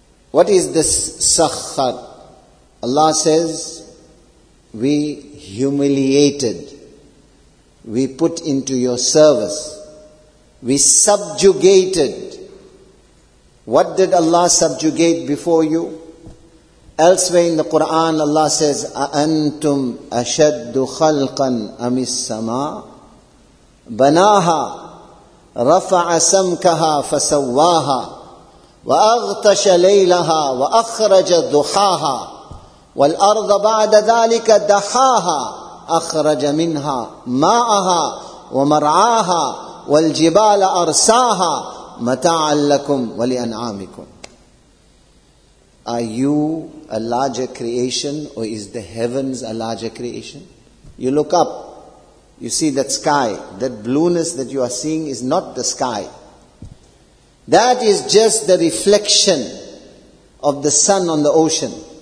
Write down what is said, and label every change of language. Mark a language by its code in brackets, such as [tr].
[en] What is this sakhkhar? Allah says, we humiliated, we put into your service, we subjugated. What did Allah subjugate before you? Elsewhere in the Quran, Allah says, [ar] أَأَنْتُمْ أَشَدُّ خَلْقًا أَمِ السَّمَاءِ بناها رفع سمكها فسواها وأغطش ليلها وأخرج ضحاها والأرض بعد ذلك دحاها أخرج منها ماءها ومرعاها والجبال أرساها متاعا لكم ولأنعامكم. [en] Are you a larger creation, or is the heavens a larger creation? You look up. You see that sky, that blueness that you are seeing is not the sky. That is just the reflection of the sun on the ocean.